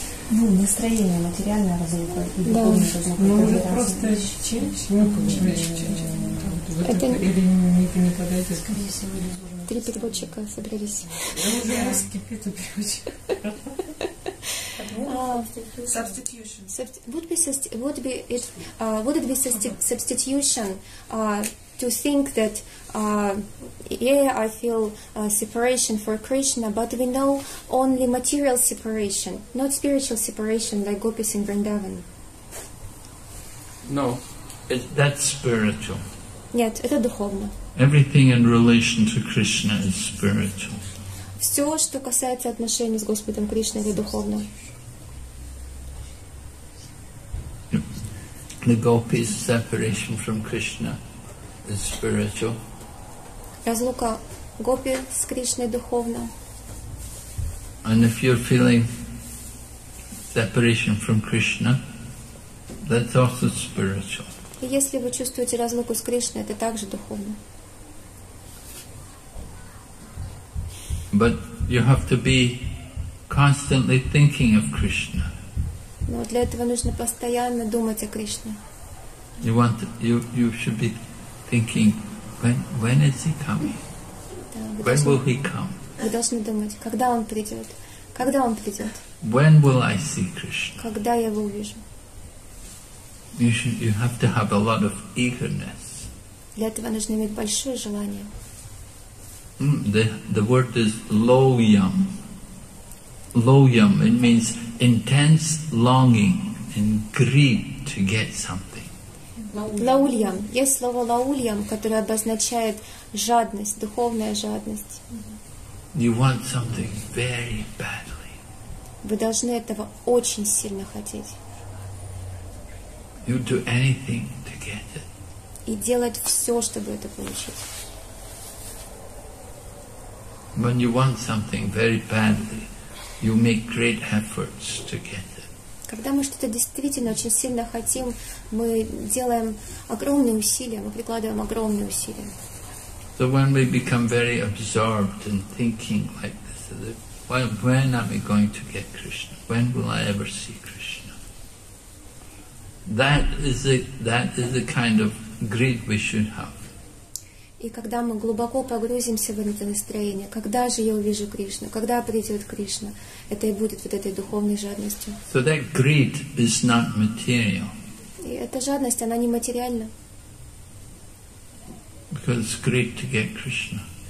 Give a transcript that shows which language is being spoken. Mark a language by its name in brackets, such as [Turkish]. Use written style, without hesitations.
[Russian] ну, настроение, материальное разлука. Да. Ну, уже просто чем? Три переводчика собрались. Да, уже скипит у переводчика. [English] Would it be substitution to think that I feel separation for Krishna, but we know only material separation, not spiritual separation like gopis in Vrindavan? No, that's spiritual. [Russian] Нет, это духовно. [English] Everything in relation to Krishna is spiritual. [Russian] Все, что касается отношений с Господом Кришной, это духовно. [English] The gopis' separation from Krishna is spiritual. [Russian] Разлука гопи с Кришной духовна. [English] And if you're feeling separation from Krishna, that's also spiritual. [Russian] И если вы чувствуете разлуку с Кришной, это также духовно. [English] But you have to be constantly thinking of Krishna. [Russian] Но для этого нужно постоянно думать о Кришне. [English] You want to, you should be thinking, when is he coming? [Russian] Да, [English] when will he come? [Russian] Вы должны думать, когда он придет? Когда он придет? [English] When will I see Krishna? [Russian] Когда я его увижу? [English] You have to have a lot of eagerness. [Russian] Для этого нужно иметь большое желание. [English] The word is loyam. Loyam, it means intense longing and greed to get something. [Russian] Лаульям. Есть слово лаульям, которое обозначает жадность, духовная жадность. [English] You want something very badly. [Russian] Вы должны этого очень сильно хотеть. [English] You'd do anything to get it. [Russian] И делать все, чтобы это получить. [English] When you want something very badly, you make great efforts to get it. [Russian] Когда мы что-то действительно очень сильно хотим, мы делаем огромные усилия, мы прикладываем огромные усилия. [English] So when we become very absorbed in thinking like this, when am I going to get Krishna? When will I ever see Krishna? That is the kind of greed we should have. [Russian] И когда мы глубоко погрузимся в это настроение, когда же я увижу Кришну, когда придет Кришна, это и будет вот этой духовной жадностью. [English] So that greed is not material. [Russian] И эта жадность, она не материальна. [English] Because it's greed to get Krishna.